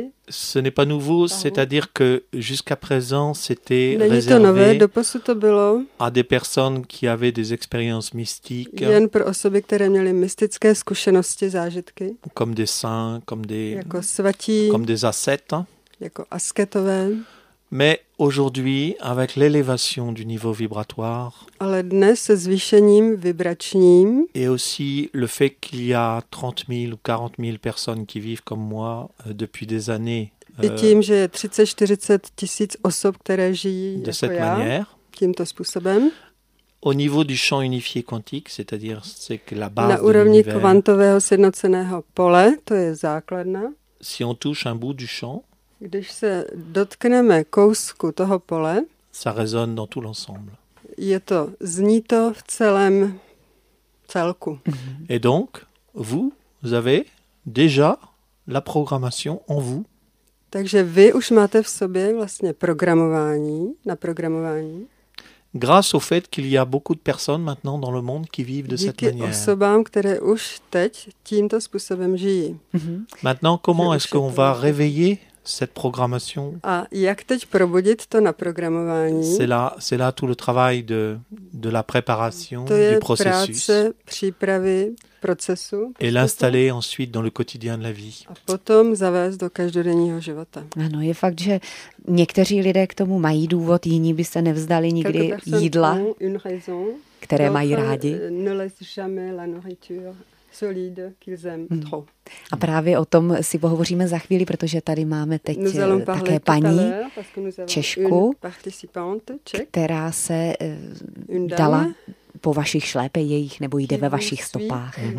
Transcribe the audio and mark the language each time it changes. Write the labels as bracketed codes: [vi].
[fr] Ce n'est pas nouveau, c'est-à-dire que jusqu'à présent, c'était réservé à des personnes qui avaient des expériences mystiques. [cs] Jen pro osoby, které měly mystické zkušenosti, zážitky. [fr] Comme des saints, comme des [cs] jako svatí, [fr] comme des ascètes. [cs] Jako asketové. [fr] Mais aujourd'hui, avec l'élévation du niveau vibratoire, [cs] ale dnes se zvýšením vibračním, [fr] et aussi le fait qu'il y a 30 000 ou 40 000 personnes qui vivent comme moi depuis des années, [cs] i tím, že je 30-40 tisíc osob, které žijí [fr] de [cs] jako [fr] cette [cs] já, [fr] manière, [cs] tímto způsobem, [fr] au niveau du champ unifié quantique, c'est-à-dire c'est que la base [cs] na úrovni kvantového sjednoceného pole, to je základna, [fr] si on touche un bout du champ, [cs] když se dotkneme kousku toho pole, [fr] ça résonne dans tout l'ensemble. [cs] Je to, zní to v celém celku. [fr] Et donc, vous avez déjà la programmation en vous. [cs] Takže vy už máte v sobě vlastně programování, naprogramování. [fr] grâce au fait qu'il y a beaucoup de personnes maintenant dans le monde qui vivent de cette manière. [cs] Díky osobám, které už teď tímto způsobem žijí. [fr] Maintenant, comment est-ce qu'on va réveiller cette programmation? [cs] A jak teď probudit to naprogramování? [fr] C'est là tout le travail de la préparation [cs] to [fr] du processus. [cs] Práce, přípravy, procesu, [fr] et l'installer ensuite dans le quotidien de la vie. [cs] A potom zavést do každodenního života. Ano, je fakt, že někteří lidé k tomu mají důvod, jiní by se nevzdali nikdy jídla, které mají rádi. [fr] Ne laisse jamais la nourriture. Solide, qu'ils aiment trop. [cs] A právě o tom si pohovoříme za chvíli, protože tady máme teď také paní Češku, která se dala po vašich šlépejích nebo jde ve vašich stopách.